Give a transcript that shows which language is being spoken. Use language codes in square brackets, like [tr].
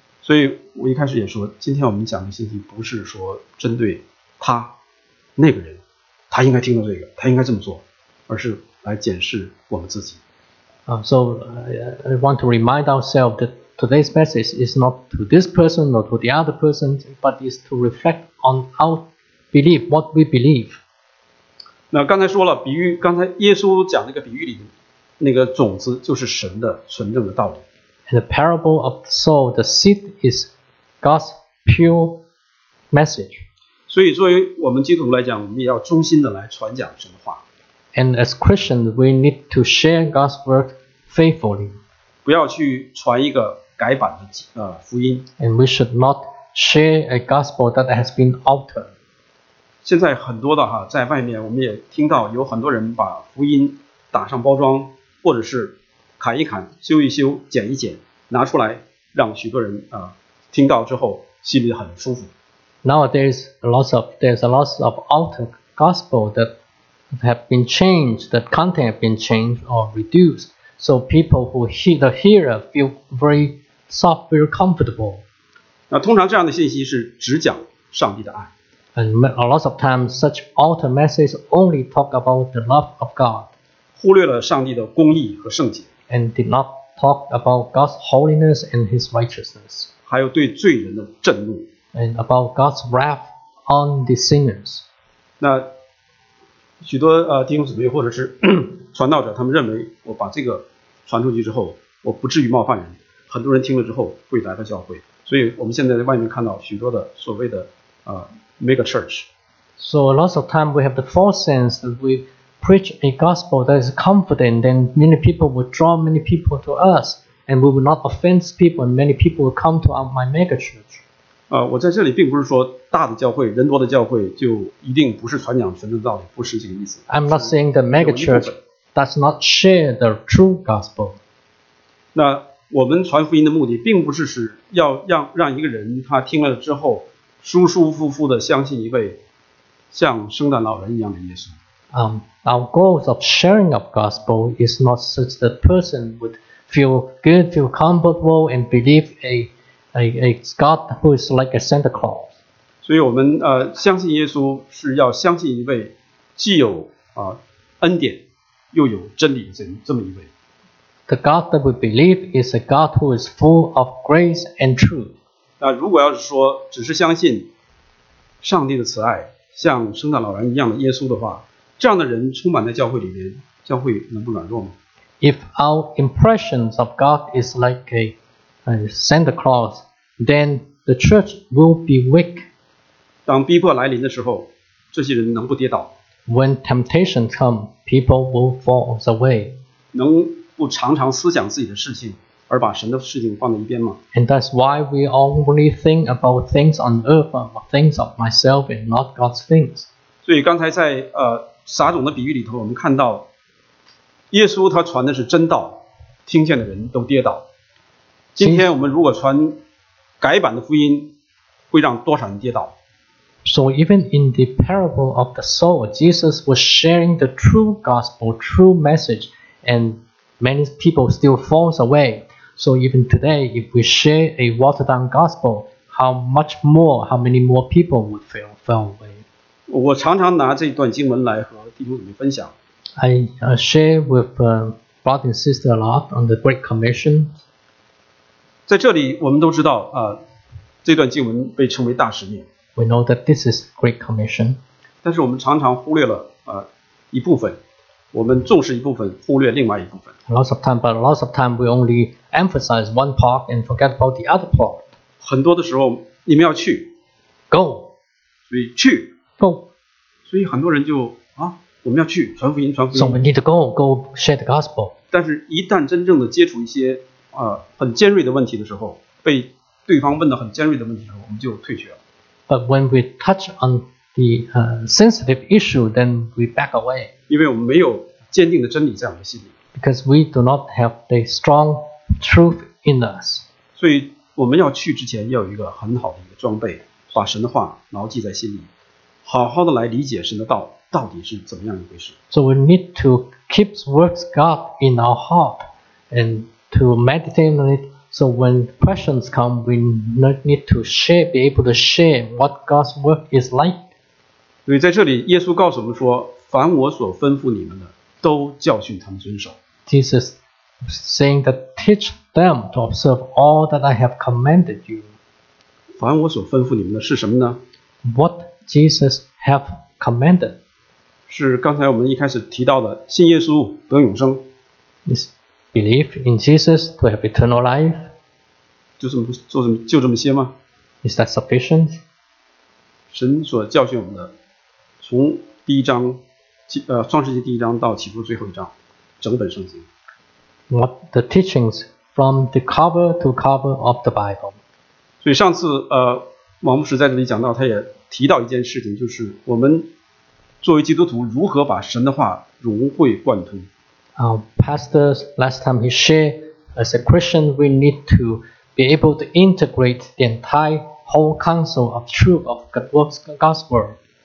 [zh] 所以我一开始也说，今天我们讲的信息不是说针对他那个人，他应该听到这个，他应该这么做，而是来检视我们自己。 [en] So I want to remind ourselves that today's message is not to this person or to the other person, but is to reflect on our belief, what we believe. [zh] 那刚才说了比喻，刚才耶稣讲那个比喻里，那个种子就是神的纯正的道理。 [en] And the parable of the soul, the seed is God's pure message. [zh] 所以作为我们基督徒来讲，我们也要忠心的来传讲神的话。 [en] And as Christians, we need to share God's word faithfully. [zh] 不要去传一个改版的福音。 [en] And we should not share a gospel that has been altered. [zh] 现在很多的哈，在外面我们也听到有很多人把福音打上包装，或者是砍一砍、修一修、剪一剪，拿出来让许多人听到之后心里很舒服。 [en] Nowadays, there's a lot of altered gospel that. Have been changed, that content have been changed or reduced, so people who hear the hearer feel very soft, very comfortable. [zh] 那通常这样的信息是只讲上帝的爱。 [en] And a lot of times, such altar messages only talk about the love of God. [zh] 忽略了上帝的公义和圣洁。 [en] And did not talk about God's holiness and His righteousness. [zh] 还有对罪人的震怒。 [en] And about God's wrath on the sinners. [zh] 那许多弟兄姊妹或者是传道者，他们认为我把这个传出去之后，我不至于冒犯人，很多人听了之后会来到教会。所以我们现在在外面看到许多的所谓的mega church。 [en] So a lot of time we have the false sense that we preach a gospel that is confident, then many people will draw many people to us, and we will not offend people, and many people will come to my mega church. [zh] 我在这里并不是说大的教会、人多的教会就一定不是传讲纯正道理，不是这个意思。 [en] I'm not saying the megachurch does not share the true gospel. 那 [zh] 我们传福音的目的并不是使要让一个人他听了之后舒舒服服的相信一位像圣诞老人一样的耶稣。 [en] Our goals of sharing of gospel is not such that person would feel good, feel comfortable, and believe a God who is like a Santa Claus. [zh] 所以我们相信耶稣是要相信一位既有恩典又有真理的这么一位。 [en] The God that we believe is a God who is full of grace and truth. [zh] 那如果要是说只是相信上帝的慈爱，像圣诞老人一样的耶稣的话，这样的人充满在教会里面，教会能不软弱吗？ [en] If our impressions of God is like a Santa Claus, then the church will be weak. [zh] 当逼迫来临的时候，这些人能不跌倒？ [en] When temptation come, people will fall away. [zh] 能不常常思想自己的事情，而把神的事情放在一边吗？ [en] And that's why we only think about things on earth, or things of myself and not God's things. [zh] 所以刚才在撒种的比喻里头，我们看到耶稣他传的是真道，听见的人都跌倒。今天我们如果传改版的福音，会让多少人跌倒？ [en] So even in the parable of the sower, Jesus was sharing the true gospel, true message, and many people still fall away. So even today, if we share a watered down gospel, how many more people would fall away? [zh] 我常常拿这段经文来和弟兄姊妹分享。 [en] I share with brother and sister a lot on the Great Commission. [zh] 在这里我们都知道这段经文被称为大使命。 [en] We know that this is Great Commission. [zh] 但是我们常常忽略了一部分，我们重视一部分，忽略另外一部分。 [en] Lots of time we only emphasize one part and forget about the other part. [zh] 很多的时候你们要去。 [en] Go. [zh] 所以去。所以很多人就我们要去传福音，传福音。 [en] So we need to go share the gospel. [zh] 但是一旦真正的接触一些很尖锐的问题的时候，被对方问到很尖锐的问题的时候，我们就退学了。 [en] But when we touch on the sensitive issue, then we back away. [zh] 因为我们没有坚定的真理在我们心里。 [en] Because we do not have the strong truth in us. [zh] 所以我们要去之前要有一个很好的一个装备，把神的话牢记在心里。好好的来理解神的道到底是怎么样一回事。 [en] So we need to keep words God in our heart and to meditate on it. So when questions come, we need to share, be able to share what God's word is like. [zh] 所以在这里，耶稣告诉我们说：“凡我所吩咐你们的，都教训他们遵守。” [en] Jesus saying that teach them to observe all that I have commanded you. [zh] 凡我所吩咐你们的是什么呢？ [en] What Jesus have commanded. [zh] 是刚才我们一开始提到的信耶稣得永生。 [en] Is believe in Jesus to have eternal life. [zh] 就这么些吗？ [en] Is that sufficient? [zh] 神所教训我们的从第一章创世纪第一章到启示录最后一章整本圣经。 [en] What the teachings from the cover to cover of the Bible. [zh] 所以上次王牧师在这里讲到他也提到一件事情，就是我们作为基督徒如何把神的话融会贯通。 [en] Pastor last time he shared, as a Christian, we need to be able to integrate the entire whole counsel of truth of God's gospel.